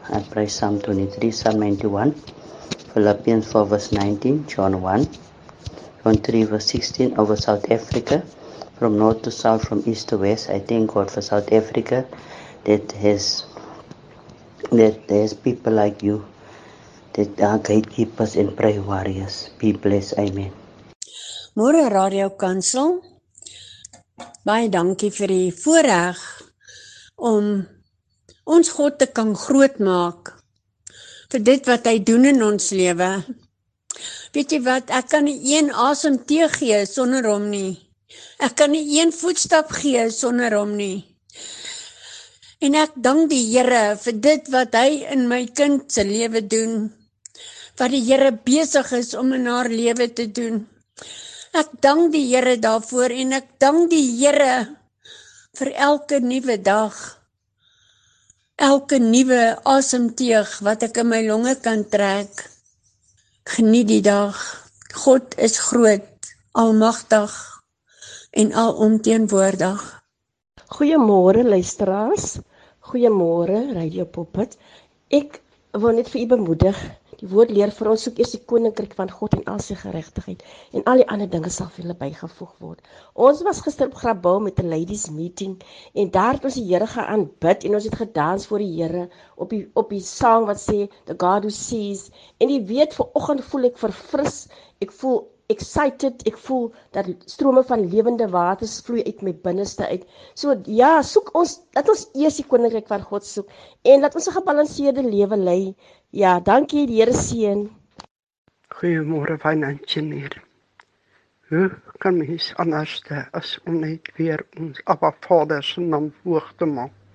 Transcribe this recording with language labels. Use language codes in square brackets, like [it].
[en] I pray Psalm 23, Psalm 91, Philippians 4 verse 19, John 1, John 3 verse 16, over South Africa, from north to south, from east to west. I thank God for South Africa that has people like you that are gatekeepers and prayer warriors. Be blessed. Amen. [af] Môre Radio Kansel. Baie dankie vir die voorreg om ons God te kan groot maak vir dit wat hy doen in ons lewe. Weet jy wat, ek kan nie een asem teeg gee sonder hom nie. Ek kan nie een voetstap gee sonder hom nie. En ek dank die Here vir dit wat hy in my kind se lewe doen, wat die Here besig is om in haar lewe te doen. Ek dank die Here daarvoor en ek dank die Here vir elke nuwe dag, elke nuwe asemteug wat ek in my longe kan trek. Geniet die dag. God is groot, almagtig en alomteenwoordig. Goeiemôre luisteraars. Goeiemôre Radio Poppet. Ek wil net vir u bemoedig. Die woord leer vir ons soek eers die koninkryk van God en al sy geregtigheid en al die ander dinge sal vir julle bygevoeg word. Ons was gister op Grabouw met 'n ladies meeting en daar het ons die Here geaanbid en ons het gedans voor die Here op die sang wat sê The God Who Sees. En die week vanoggend voel ek verfris. Ek voel excited, ek voel dat strome van lewende waters vloei uit my binneste uit. So ja, soek ons, laat ons eers die koninkryk van God soek en laat ons 'n gebalanseerde lewe lei. Ja, dankie, die Here seën. Goeiemôre, Wynandjener. Hoe kan mens anders te as om net weer ons Abba Vader se naam hoog te maak?